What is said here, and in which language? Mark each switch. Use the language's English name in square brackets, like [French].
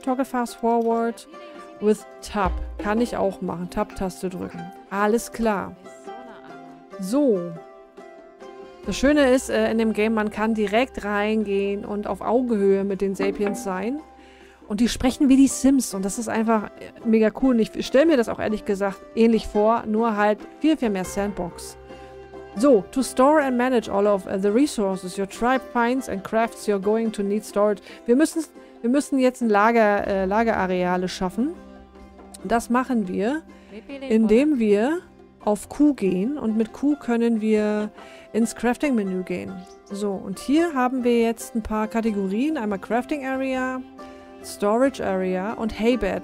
[English] Toggle fast forward with tab. [German] Kann ich auch machen. Tab-Taste drücken. Alles klar. So. Das Schöne ist, in dem Game, man kann direkt reingehen und auf Augenhöhe mit den Sapiens sein. Und die sprechen wie die Sims. Und das ist einfach mega cool. Und ich stelle mir das auch ehrlich gesagt ähnlich vor. Nur halt viel, viel mehr Sandbox. [English] So, to store and manage all of the resources your tribe finds and crafts you're going to need stored. [German] Wir müssen jetzt ein Lagerareale schaffen. Das machen wir, indem wir auf Q gehen. Und mit Q können wir ins Crafting-Menü gehen. So, und hier haben wir jetzt ein paar Kategorien. Einmal Crafting Area, Storage Area und Haybed.